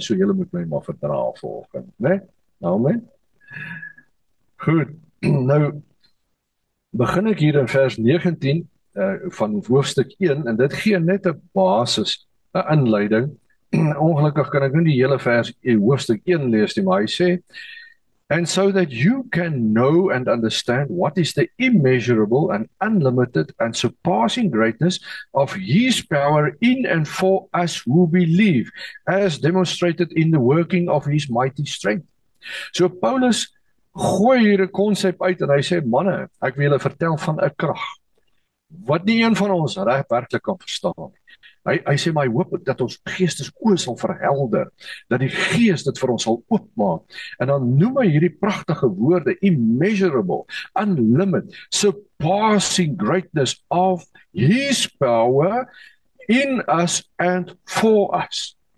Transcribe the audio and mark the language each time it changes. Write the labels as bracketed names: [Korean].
[Afrikaans] So julle moet my maar verdra vanoggend, nê? Amen. Goed. Nou begin ek hier in vers 19 van hoofstuk 1 en dit gee net 'n basis, 'n inleiding. Ongelukkig kan ek nie die hele vers hoofstuk 1 lees nie, maar hy sê [English] and so that you can know and understand what is the immeasurable and unlimited and surpassing greatness of his power in and for us who believe, as demonstrated in the working of his mighty strength. [Afrikaans] So Paulus gooi hier 'n konsep uit en hy sê: "Manne, ek wil julle vertel van 'n krag wat nie een van ons reg werklik kan verstaan nie." Hy sê: "My hoop is dat ons geestesoë sal verhelder, dat die Gees dit vir ons sal oopmaak." En dan noem hy hierdie pragtige woorde: [English] immeasurable, unlimited, surpassing greatness of his power in us and for us.